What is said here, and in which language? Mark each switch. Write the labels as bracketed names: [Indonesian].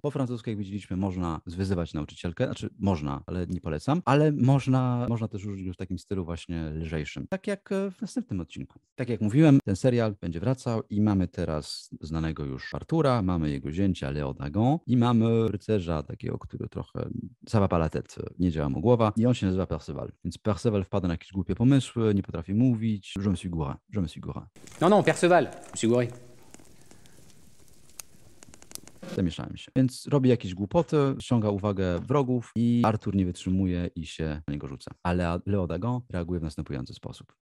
[Polish] Po francusku, jak widzieliśmy, można zwyzywać na nauczycielkę, znaczy można, ale nie polecam, ale można też użyć w takim stylu właśnie lżejszym, tak jak w następnym odcinku. Tak jak mówiłem, ten serial będzie wracał i mamy teraz znanego już Artura, mamy jego zięcia Leo Dagon i mamy rycerza takiego, który trochę zawapala tet, nie działa mu głowa i on się nazywa Perceval. Więc Perceval wpada na jakieś głupie pomysły, nie potrafi mówić. [French] Je me suis gouré, je me suis gouré. Non, non, Perceval, je me suis gouré. [Polish] Zamieszałem się. Więc robi jakieś głupoty, ściąga uwagę wrogów i Artur nie wytrzymuje i się na niego rzuca. Ale Leo Dagon reaguje w następujący sposób.